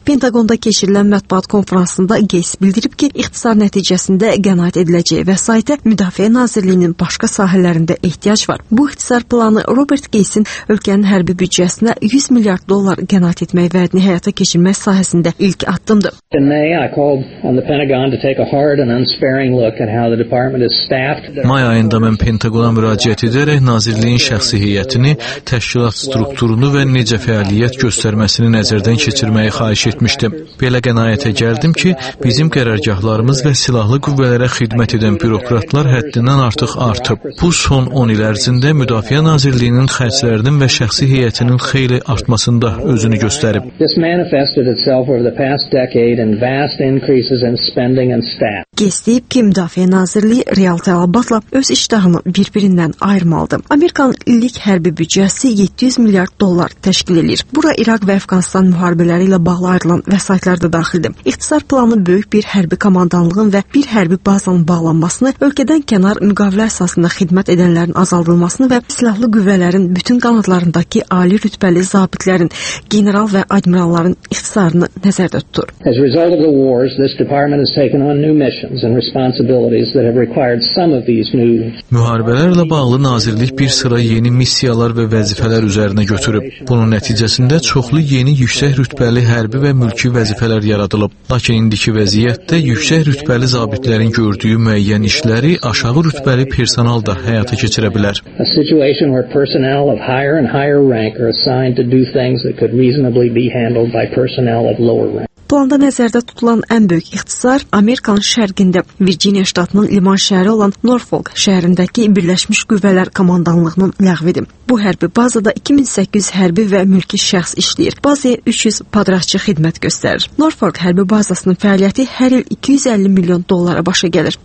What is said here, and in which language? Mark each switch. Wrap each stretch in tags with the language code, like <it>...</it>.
<az>Pentagonda keçirilən mətbuat konfransında Gates bildirib ki, ixtisar nəticəsində qənaət ediləcəyi vəsaitə Müdafiə Nazirliyinin başqa sahələrində ehtiyac var. Bu ixtisar planı Robert Gates'in ölkənin hərbi büdcəsinə 100 milyard dollar qənaət etmək vədini həyata keçirmək sahəsində ilk addımdır.</az> <en>On the Pentagon to take a hard and unsparing look at how the department is staffed.</en> <az>May ayında mən Pentagona müraciət edərək nazirliyin şəxsi heyətini, təşkilat strukturunu və necə fəaliyyət göstərməsini nəzərdən keçirməyi xahiş etmişdim. Belə qənaətə gəldim ki, bizim qərargahlarımız və silahlı qüvvələrə xidmət edən bürokratlar həddindən artıq artıb. Bu son 10 il ərzində Müdafiə Nazirliyinin xərclərinin və şəxsi heyətinin xeyli artmasında özünü göstərib.</az> <en>This manifested itself over the past decade in vast increases in spending and staff.</en> <az>Gəstib ki, Müdafiə Nazirliyi real tələbatla öz iştahını bir-birindən ayırmalıdır. Amerikanın illik hərbi büdcəsi 700 milyard dollar təşkil edir. Bura İraq və Əfqanistan müharibələri ilə bağlı ayrılan vəsaitlər də daxildir. İxtisar planı böyük bir hərbi komandanlığın və bir hərbi bazanın bağlanmasını, ölkədən kənar müqavilə əsasında xidmət edənlərin azaldılmasını və silahlı qüvvələrin bütün qanadlarındakı ali rütbəli zabitlərin, general və admiralların ixtisarını nəzərdə tutur.</az> <en>Wars, this department has taken on new missions and responsibilities that have required some of these new.</en> <az>Müharibələrlə bağlı nazirlik bir sıra yeni missiyalar və vəzifələr üzərinə götürüb. Bunun nəticəsində çoxlu yeni yüksək rütbəli hərbi və mülki vəzifələr yaradılıb. Lakin indiki vəziyyətdə yüksək rütbəli zabitlərin gördüyü müəyyən işləri aşağı rütbəli personal da həyata keçirə bilər.</az> <en>A situation where personnel of higher and higher rank are assigned to do things that could reasonably be handled by personnel of lower rank.</en> <az>Planda nəzərdə tutulan ən böyük ixtisar Amerikanın şərqində Virginia ştatının liman şəhəri olan Norfolk şəhərindəki Birləşmiş Qüvvələr Komandanlığının ləğvidir. Bu hərbi bazada 2800 hərbi və mülki şəxs işləyir. Bazaya 300 padraşçı xidmət göstərir. Norfolk hərbi bazasının fəaliyyəti hər il 250 milyon dollara başa gəlir.</az>